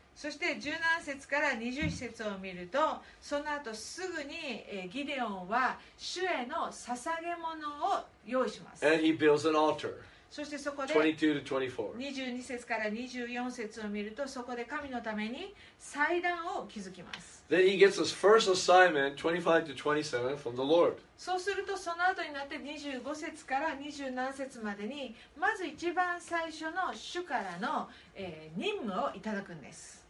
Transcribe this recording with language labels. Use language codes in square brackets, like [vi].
[ja] そして17節から20節を見るとその後すぐにギディオンは主への捧げ物を用意します。 [en] And he builds an altar. [ja] そしてそこで22節から24節を見るとそこで神のために祭壇を築きます。 [en] Then he gets his first assignment 25 to 27 from the Lord. [ja] そうするとその後になって25節から27節までにまず一番最初の主からの、任務をいただくんです。